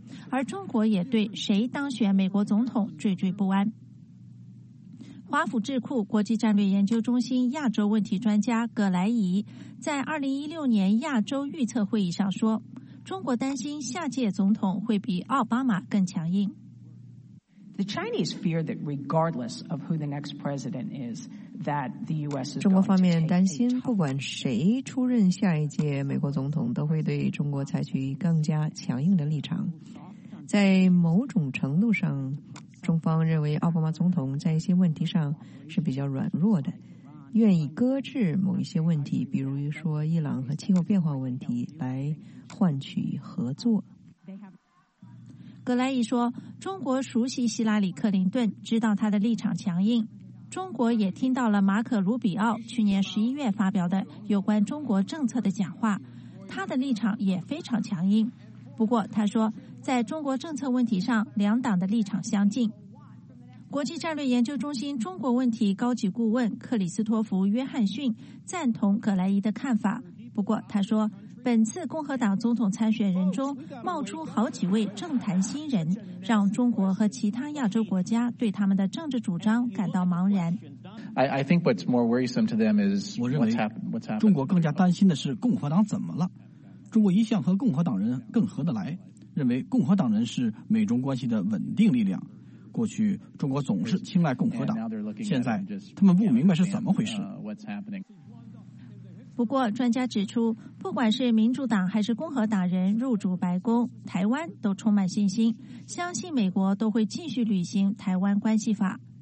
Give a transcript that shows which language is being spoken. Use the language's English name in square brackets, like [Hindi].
[Chinese] 而中国也对谁当选美国总统惴惴不安。华府智库国际战略研究中心亚洲问题专家葛莱仪在2016年亚洲预测会议上说，中国担心下届总统会比奥巴马更强硬。 [English] The Chinese fear that regardless of who the next president is, that the U.S. [Chinese] 中国方面担心，不管谁出任下一届美国总统，都会对中国采取更加强硬的立场。在某种程度上，中方认为奥巴马总统在一些问题上是比较软弱的，愿意搁置某一些问题，比如说伊朗和气候变化问题，来换取合作。葛莱仪说，中国熟悉希拉里·克林顿，知道他的立场强硬。中国也听到了马可·卢比奥去年11月发表的有关中国政策的讲话，他的立场也非常强硬。不过他说，在中国政策问题上，两党的立场相近。国际战略研究中心中国问题高级顾问克里斯托弗·约翰逊赞同葛莱仪的看法，不过他说，本次共和党总统参选人中冒出好几位政坛新人，让中国和其他亚洲国家对他们的政治主张感到茫然。 [English] I think what's more worrisome to them is what's happened. [Chinese] 中国更加担心的是共和党怎么了？中国一向和共和党人更合得来，认为共和党人是美中关系的稳定力量。过去中国总是青睐共和党，现在他们不明白是怎么回事。不过专家指出，不管是民主党还是共和党人入主白宫，台湾都充满信心，相信美国都会继续履行台湾关系法。